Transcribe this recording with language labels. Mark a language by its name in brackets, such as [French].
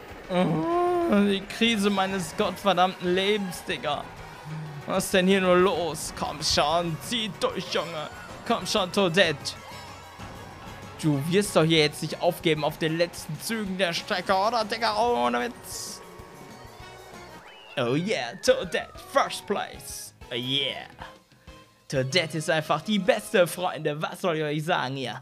[German] Oh, die Krise meines gottverdammten Lebens, Digga. Was ist denn hier nur los? Komm schon, zieh durch, Junge. Komm schon, Toadette. Du wirst doch hier jetzt nicht aufgeben auf den letzten Zügen der Strecke, oder, Digga? Ohne Witz. [English] Oh yeah, Toadette, first place. Oh yeah. [German] Toadette ist einfach die beste, Freunde. Was soll ich euch sagen hier?